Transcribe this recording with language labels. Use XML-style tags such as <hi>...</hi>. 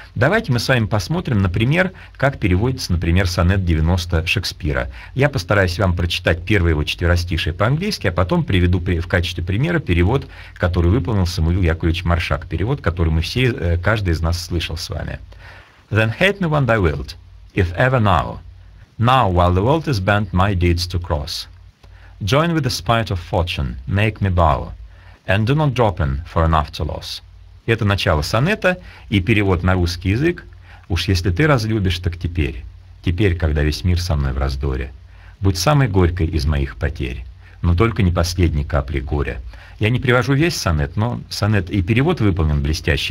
<ru>Давайте мы с вами посмотрим, например, как переводится, например, сонет 90 Шекспира. Я постараюсь вам прочитать первое его четверостишие по-английски, а потом приведу в качестве примера перевод, который выполнил Самуил Яковлевич Маршак, перевод, который мы все, каждый из нас слышал с вами.</ru> <en>«Then hate me when thou wilt, if ever now. Now, while the world is bent, my deeds to cross. Join with the spite of fortune, make me bow. And do not drop in for an after loss».</en> <ru>Это начало сонета и перевод на русский язык. «Уж если ты разлюбишь, так теперь, когда весь мир со мной в раздоре, будь самой горькой из моих потерь, но только не последней каплей горя». Я не привожу весь сонет, но сонет и перевод выполнен блестящий.</ru>